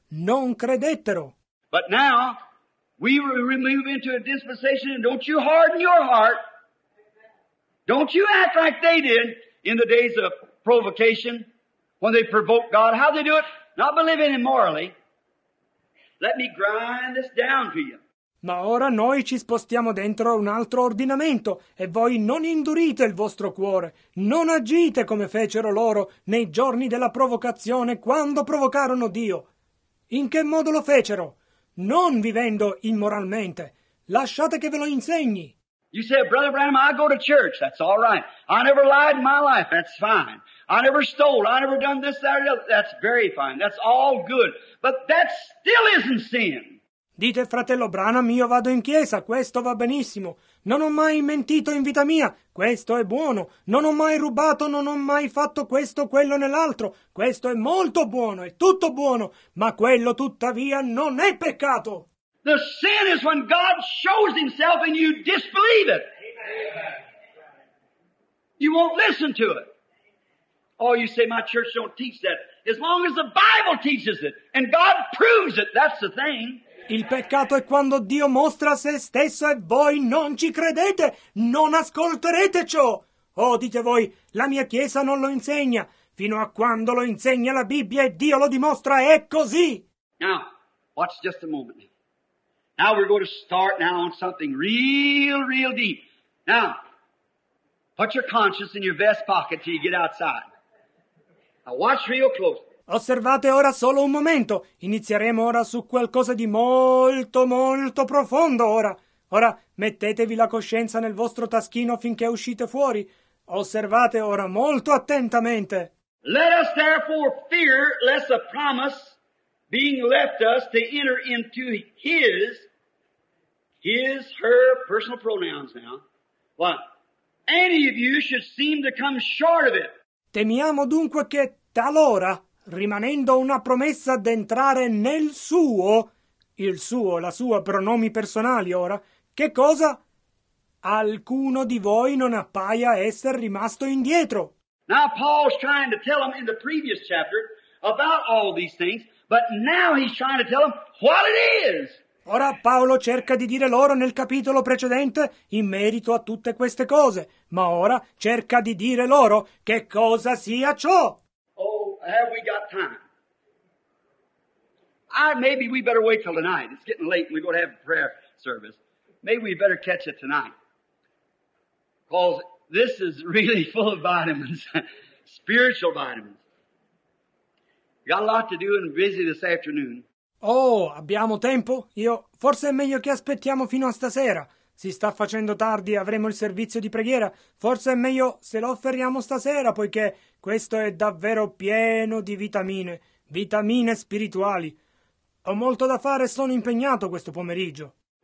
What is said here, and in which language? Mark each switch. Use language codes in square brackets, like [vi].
[it] Non credettero. [en] But now, we remove into a dispensation, and don't you harden your heart. Don't you act like they did in the days of provocation, when they provoked God. How they do it? Not believing immorally. Let me grind this down to you. [it] Ma ora noi ci spostiamo dentro un altro ordinamento e voi non indurite il vostro cuore, non agite come fecero loro nei giorni della provocazione quando provocarono Dio. In che modo lo fecero? Non vivendo immoralmente. Lasciate che ve lo insegni. [en] You say, Brother Branham, I go to church. That's all right. I never lied in my life. That's fine. I never stole. I never done this, that, or the other. That's very fine. That's all good. But that still isn't sin. [it] Dite, fratello Branham, io vado in chiesa, questo va benissimo. Non ho mai mentito in vita mia, questo è buono. Non ho mai rubato, non ho mai fatto questo, quello nell'altro. Questo è molto buono, è tutto buono, ma quello tuttavia non è peccato. [en] The sin is when God shows himself and you disbelieve it. You won't listen to it. Oh, you say, my church don't teach that. As long as the Bible teaches it and God proves it, that's the thing. [it] Il peccato è quando Dio mostra se stesso e voi non ci credete, non ascolterete ciò. Oh, dite voi, la mia chiesa non lo insegna. Fino a quando lo insegna la Bibbia e Dio lo dimostra, è così. [en] Now, watch just a moment. Now we're going to start now on something real, real deep. Now, put your conscience in your vest pocket till you get outside. Now watch real close. [it] Osservate ora solo un momento. Inizieremo ora su qualcosa di molto, molto profondo ora. Ora mettetevi la coscienza nel vostro taschino finché uscite fuori. Osservate ora molto attentamente. [en] Let us therefore fear lest the promise being left us to enter into his, her personal pronouns now. What? Any of you should seem to come short of it. [it] Temiamo dunque che talora, rimanendo una promessa d'entrare nel suo, il suo, la sua, pronomi personali ora, che cosa? Alcuno di voi non appaia essere rimasto indietro. [en] Now Paul's trying to tell them in the previous chapter about all these things, but now he's trying to tell them what it is. [it] Ora Paolo cerca di dire loro nel capitolo precedente in merito a tutte queste cose, ma ora cerca di dire loro che cosa sia ciò. [en] Have we got time? Maybe we better wait till tonight. It's getting late and we're going to have a prayer service. Maybe we better catch it tonight. Because this is really full of vitamins, spiritual vitamins. Got a lot to do and busy this afternoon. [it] Oh, abbiamo tempo? Io, forse è meglio che aspettiamo fino a stasera. Si sta facendo tardi, avremo il servizio di preghiera. Forse è meglio se lo offeriamo stasera, poiché questo è davvero pieno di vitamine, vitamine spirituali. Ho molto da fare e sono impegnato questo pomeriggio.